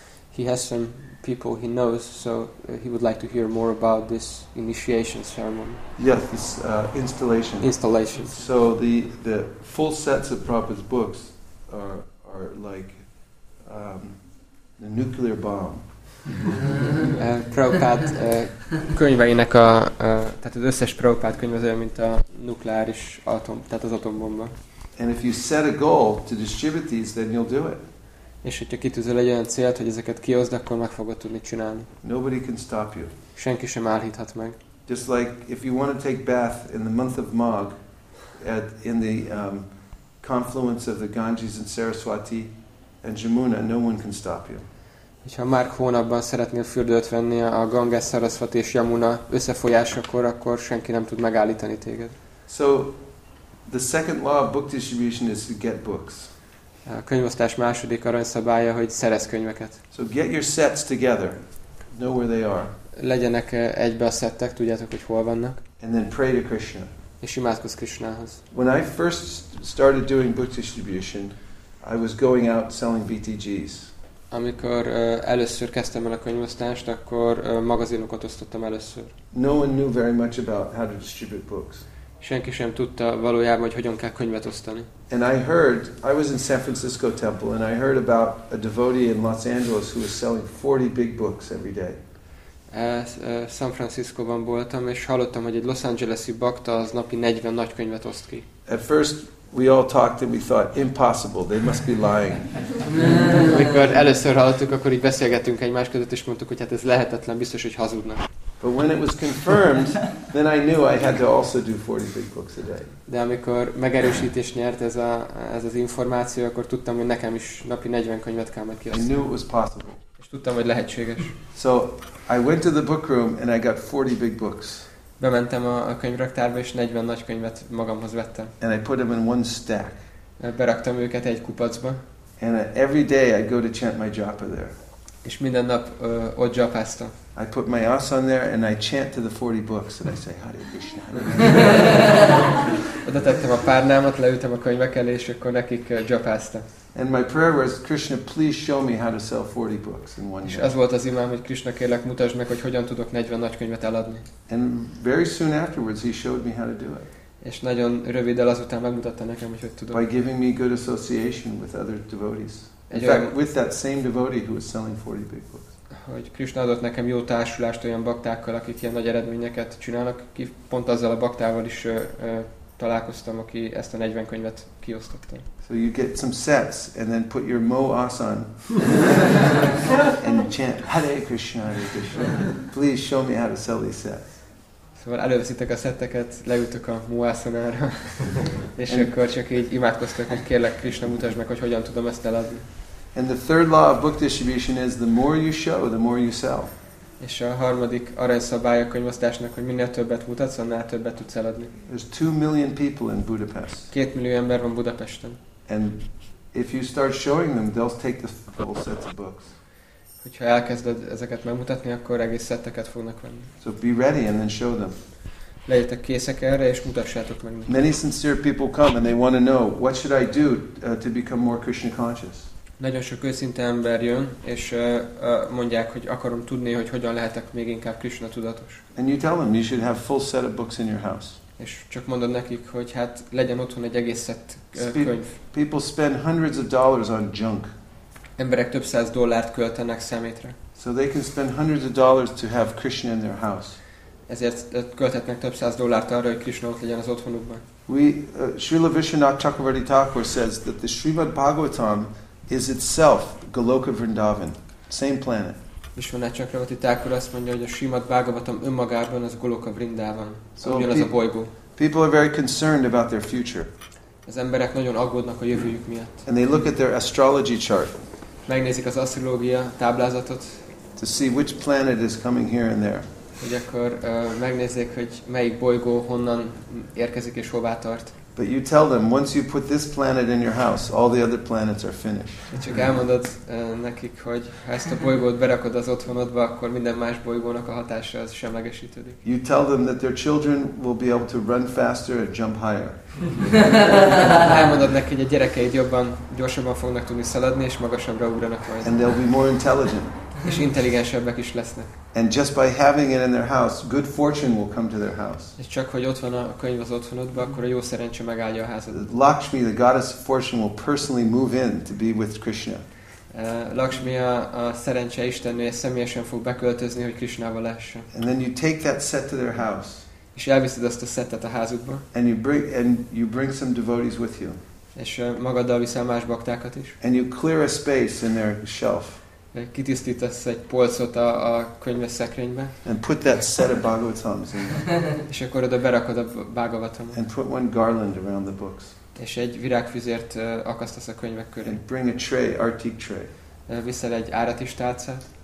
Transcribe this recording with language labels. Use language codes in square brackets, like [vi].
[en] He has some people he knows, so he would like to hear more about this initiation ceremony. Yes, this installation. Installation. So the full sets of Prabhupada's books are like the nuclear bomb. [hu] Prabhupád könyveinek a tehát az összes Prabhupád könyv az olyan, mint a nukleáris atom, tehát az atombomba. [en] And if you set a goal to distribute these, then you'll do it. [hu] És hogyha kitűzöl egy olyan célt, hogy ezeket kioszd, akkor meg fogod tudni csinálni. [en] Nobody can stop you. [hu] Senki sem állíthat meg. [en] Just like if you want to take bath in the month of Magh at in the confluence of the Ganges and Saraswati and Jamuna, no one can stop you. [hu] Ha már hónapban szeretnél fürdőt venni a Ganges, Saraswati és Yamuna összefolyásakor, akkor senki nem tud megállítani téged. [en] So the second law of book distribution is to get books. [hu] A könyvosztás második aranyszabálya, hogy szerez könyveket. [en] So get your sets together. Know where they are. [hu] legyenek egybe a szettek, tudjátok, hogy hol vannak. [en] And then pray to Krishna. [hu] És imádkozz Krishnához. [en] When I first started doing book distribution, I was going out selling BTGs. [hu] Amikor először kezdtem el a könyvosztást, akkor magazinokat osztottam először. [en] No one knew very much about how to distribute books. [hu] Senki sem tudta valójában, hogy hogyan kell könyvet osztani. [en] And I heard, I was in San Francisco Temple, and I heard about a devotee in Los Angeles who was selling 40 big books every day. [hu] San Francisco-ban voltam, és hallottam, hogy egy Los Angeles-i bakta az napi 40 nagy könyvet oszt ki. [en] At first we all talked and we thought, impossible, they must be lying. [hu] Amikor először hallottuk, akkor így beszélgettünk egymás között, és mondtuk, hogy hát ez lehetetlen, biztos, hogy hazudnak. [en] But when it was confirmed, then I knew I had to also do 40 big books a day. [hu] De amikor megerősítést nyert ez az információ, akkor tudtam, hogy nekem is napi 40 könyvet kell majd kiosztani. [en] I knew it was possible. [hu] És tudtam, hogy lehetséges. [en] So I went to the book room and I got 40 big books. [hu] Bementem a könyvraktárba, és 40 nagy könyvet magamhoz vettem. [en] And I put them in one stack. [hu] Beraktam őket egy kupacba. [en] And every day I go to chant my japa there. [hu] És minden nap ott japáztam. [en] I put my asana on there and I chant to the 40 books and I say Hare Krishna. [hu] Oda tettem a párnámat, leültem a könyvek elé, és akkor nekik japáztam. [en] And my prayer was, Krishna, please show me how to sell 40 books in one day. [hu] És ez volt az imám, hogy Krishna, kérlek, mutasd meg, hogy hogyan tudok 40 nagy könyvet eladni. [en] And very soon afterwards he showed me how to do it. [hu] És nagyon röviddel azután megmutatta nekem, hogy tudok. [en] By giving me good association with other devotees. With that same devotee who was selling 40 big books. [hu] Hogy Krishna adott nekem jó társulást olyan baktákkal, akik ilyen nagy eredményeket csinálnak. Pont azzal a baktával is találkoztam, aki ezt a 40 könyvet kiosztotta. [en] So you get some sets and then put your mo asan and chant Hare Krishna, please show me how to sell these sets. [hu] Szóval előveszitek a szetteket, leültök a mo asanára, és akkor csak így imádkoztok, hogy kérlek Krishna, mutasd meg, hogy hogyan tudom ezt eladni. [en] And the third law of book distribution is the more you show, the more you sell. [hu] És a harmadik aranyszabály a könyvosztásnak, hogy minél többet mutatsz, annál többet tudsz eladni. [en] There's 2 million people in Budapest. [hu] 2 millió ember van Budapesten. [en] And if you start showing them, they'll take the full sets of books. [hu] Hogyha elkezded ezeket megmutatni, akkor egész szetteket fognak venni. [en] So be ready and then show them. [hu] Legyetek készek erre, és mutassátok meg. [en] Many sincere people come and they want to know, what should I do to become more Krishna conscious? [hu] Nagyon sok őszinte ember jön, és mondják, hogy akarom tudni, hogy hogyan lehetek még inkább Krishna tudatos. [en] And you tell them you should have full set of books in your house. [hu] És csak mondod nekik, hogy hát legyen otthon egy egész szett könyv. [en] People spend hundreds of dollars on junk. [hu] Emberek több száz dollárt költenek szemétre. [en] So they can spend hundreds of dollars to have Krishna in their house. [hu] Ezért költhetnek több száz dollárt arra, hogy Krishna ott legyen az otthonukban. [en] Srila Vishwanatha Chakravarti Thakur says that the Srimad Bhagavatam is itself Goloka Vrindavan, same planet. [hu] Vishwanatha Chakravarti Thakur azt mondja, hogy a Srimad Bhagavatam önmagában az Goloka Vrindavan, ugyanaz a bolygó. [en] People are very concerned about their future. [hu] Az emberek nagyon aggódnak a jövőjük miatt. [en] And they look at their astrology chart. [hu] Megnézik az asztrológia táblázatot. [en] To see which planet is coming here and there. [hu] Hogy akkor megnézzék, hogy melyik bolygó honnan érkezik és hová tart. [en] But you tell them once you put this planet in your house, all the other planets are finished. [hu] Csak elmondod nekik, hogy ha ezt a bolygót berakod az otthonodba, akkor minden más bolygónak a hatása az semlegesítődik. [en] You tell them that their children will be able to run faster and jump higher. [hu] Elmondod nekik, hogy a gyerekeid jobban, gyorsabban fognak tudni szaladni és magasabbra ugranak majd. [en] And they'll be more intelligent. [hu] És intelligensebbek is lesznek. [en] And just by having it in their house, good fortune will come to their house. [hu] És csak hogy ott van a könyv az otthonodban, akkor a jó szerencse megállja a házadat. [en] Lakshmi, the goddess of fortune, will personally move in to be with Krishna. [hu] Lakshmi, a szerencse istennője személyesen fog beköltözni, hogy Krishnával lesse. [en] And then you take that set to their house. [hu] És elviszed azt a szettet a házukba. [en] And you bring some devotees with you. [hu] És magaddal viszel más baktákat is. [en] And you clear a space in their shelf. [hu] Kitisztítasz egy polcot a könyves szekrénybe. [en] And put that set of Bhagavatams in. [hu] És akkor oda berakod a Bhagavatamot. [en] And put one garland around the books. [hu] És egy virágfüzért akasztasz a könyvek köré. [en] And bring a tray, artik tray. [hu] Viszel egy áratis tálcát.